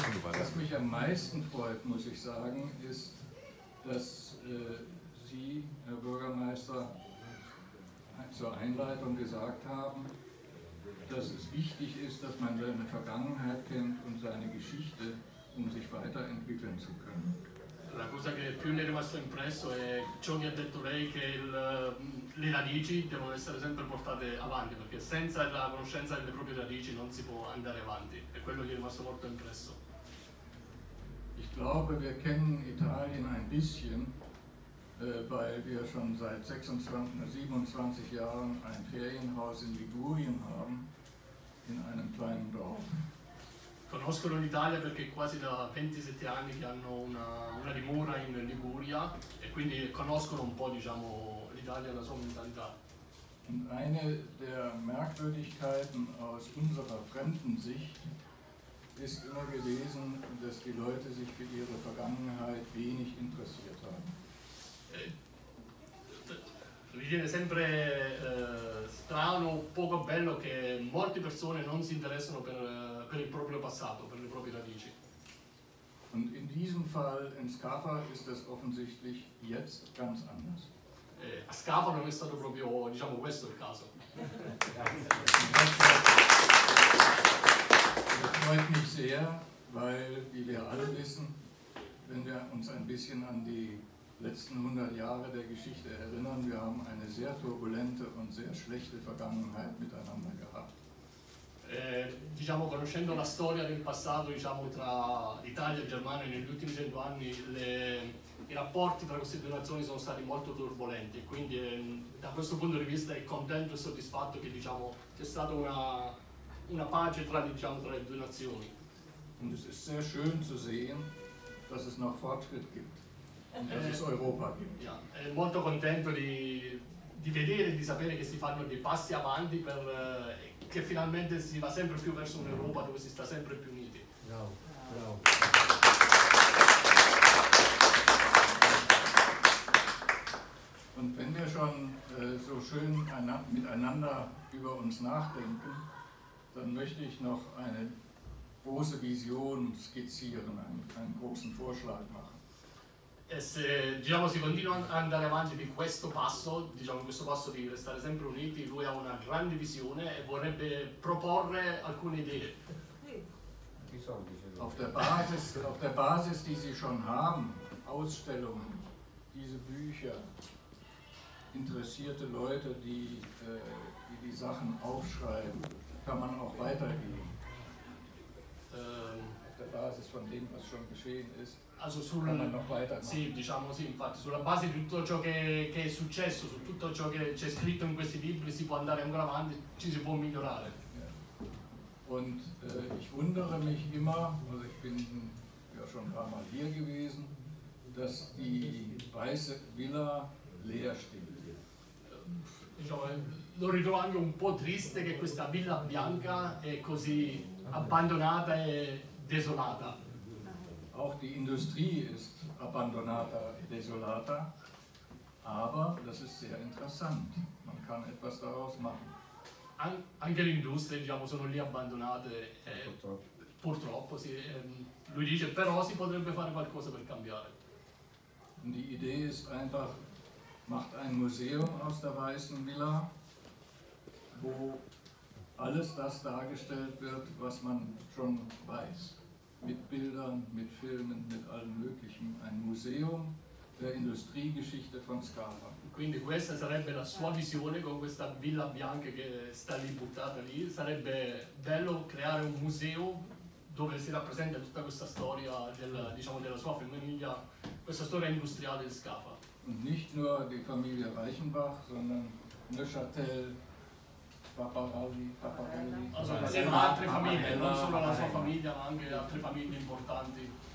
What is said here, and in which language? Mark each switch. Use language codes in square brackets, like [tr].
[de] Was mich am meisten freut, muss ich sagen, ist, dass Sie, Herr Bürgermeister, zur Einleitung gesagt haben, dass es wichtig ist, dass man seine Vergangenheit kennt und seine Geschichte, um sich weiterentwickeln zu können. [it] La cosa che più mi è rimasto impresso è ciò che ha detto lei, che le radici devono essere sempre portate avanti, perché senza la conoscenza delle proprie radici non si può andare avanti. E quello che è rimasto molto impresso. [de] Ich glaube, wir kennen Italien ein bisschen, weil wir schon seit 27 Jahren ein Ferienhaus in Ligurien haben, in einem kleinen Dorf. [it] Conoscono l'Italia perché quasi da 27 anni che hanno una dimora in Liguria e quindi conoscono un po', diciamo, l'Italia e la sua mentalità. [de] Und eine der Merkwürdigkeiten aus unserer Fremdensicht ist immer gewesen, dass die Leute sich für ihre Vergangenheit wenig interessiert haben. [it] mi viene sempre strano, poco bello, che molte persone non si interessano per il proprio passato, per le proprie radici. [de] Und in diesem Fall in Scafa ist das offensichtlich jetzt ganz anders. [it] A Scafa non è stato proprio, diciamo, questo il caso. [de] Das freut mich sehr, weil, wie wir alle wissen, wenn wir uns ein bisschen an die letzten 100 Jahre der Geschichte erinnern, wir haben eine sehr turbulente und sehr schlechte Vergangenheit miteinander gehabt. [it] Diciamo, conoscendo la storia del passato, diciamo, tra Italia e Germania negli ultimi 100 anni, i rapporti tra queste due nazioni sono stati molto turbolenti, quindi da questo punto di vista è contento e soddisfatto che, diciamo, c'è stata una pace tra, diciamo, tra le due nazioni. [de] Und es ist sehr schön zu sehen, dass es noch Fortschritt gibt, dass es Europa gibt. [it] Ja, è molto contento di vedere e di sapere che si fanno dei passi avanti per che finalmente si va sempre più verso un'Europa dove si sta sempre più uniti. Bravo, bravo. [de] Und wenn wir schon so schön miteinander über uns nachdenken, dann möchte ich noch eine große Vision skizzieren, einen großen Vorschlag machen. [it] E se, diciamo, si continua ad andare avanti di questo passo, diciamo, questo passo di restare sempre uniti, lui ha una grande visione e vorrebbe proporre alcune idee. [de] Auf der Basis, die sie schon haben, Ausstellungen, diese Bücher, interessierte Leute, die Sachen aufschreiben, kann man auch weitergehen. Auf der Basis von dem, was schon geschehen ist, also [it] sul, [de] kann man noch weiter. [it] Sì, diciamo, sì, infatti, sulla base di tutto ciò che è successo, su tutto ciò che c'è scritto in questi libri, si può andare ancora avanti, ci si può migliorare. Yeah. [de] Und ich wundere mich immer, also ich bin ja schon ein paar Mal hier gewesen, dass die weiße Villa leer steht. [it] Diciamo, lo ritrovo anche un po' triste che questa villa bianca è così abbandonata e desolata. [de] Auch die Industrie ist [it] abbandonata e desolata, [de] aber das ist sehr interessant. Man kann etwas daraus machen. [it] Anche le industrie, diciamo, sono lì abbandonate. Purtroppo sì, lui dice, però si potrebbe fare qualcosa per cambiare. [de] Und die Idee ist einfach: macht ein Museum aus der Weißen Villa, wo alles das dargestellt wird, was man schon weiß. Mit Bildern, mit Filmen, mit allem Möglichen. Ein Museum der Industriegeschichte von Scafa. [it] Quindi questa sarebbe la sua visione con questa villa bianca che sta lì buttata lì. Sarebbe bello creare un museo dove si rappresenta tutta questa storia della sua famiglia, questa storia industriale di Scafa. [de] Und nicht nur die Familie Reichenbach, sondern Neuchâtel, Paparelli. [it] Also, insieme ad altre famiglie, non solo la sua famiglia, ma anche altre famiglie importanti.